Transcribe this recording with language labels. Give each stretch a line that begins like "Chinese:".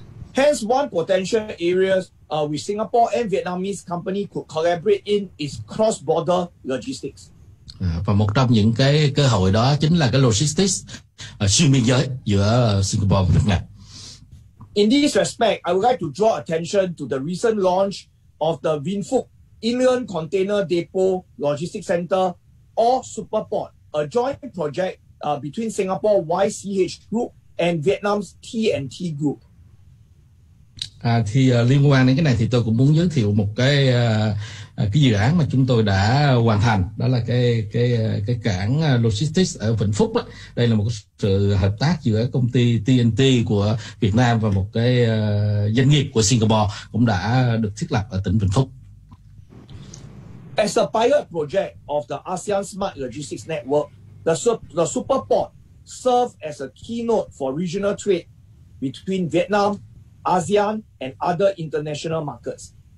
English: Hence, one potential area with Singapore and Vietnamese company could collaborate in is cross-border logistics.
Vietnamese: Và một trong những cái cơ hội đó chính là cái logistics xuyên biên giới giữa Singapore và Việt Nam.
English: In this respect, I would like to draw attention to the recent launch of the Vinh Phúc Inland Container Depot Logistics Center or Superport, a joint project between Singapore YCH Group and Vietnam's TNT Group.
Vietnamese: Thì liên quan đến cái này thì tôi cũng muốn giới thiệu một cái dự án mà chúng tôi đã hoàn thành, đó là cái cảng logistics ở Vĩnh Phúc đó. Đây là một sự hợp tác giữa công ty TNT của Việt Nam và một cái doanh nghiệp của Singapore cũng đã được thiết lập ở tỉnh Vĩnh Phúc.
English: As a pilot project of the ASEAN Smart Logistics Network, the Superport serves as a keynote for regional trade between Vietnam, ASEAN and other international markets.